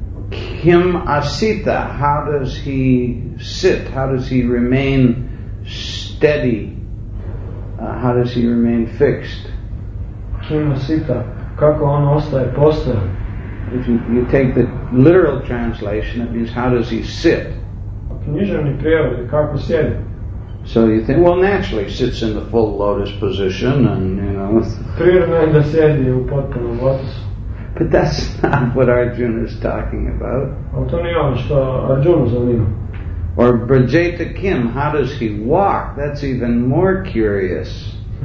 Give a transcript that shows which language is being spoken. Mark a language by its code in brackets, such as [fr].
[sa] Kim asita, [en] how does he sit? How does he remain steady? How does he remain fixed? [sa] Kim asita, [hr] kako on ostaje postojan? [en] If you take the literal translation, it means how does he sit? [hr] Književni prijevod je kako sjedi. [en] So you think, well, naturally he sits in the full lotus position, and you know. [hr] Prirodno je da sjedi u potpunom lotusu. [en] But that's not what Arjuna is talking about. [hr] Ali to nije ono što Arjuna zanima. [en] Or [sa] Brajeta Kim, [en] how does he walk? That's even more curious.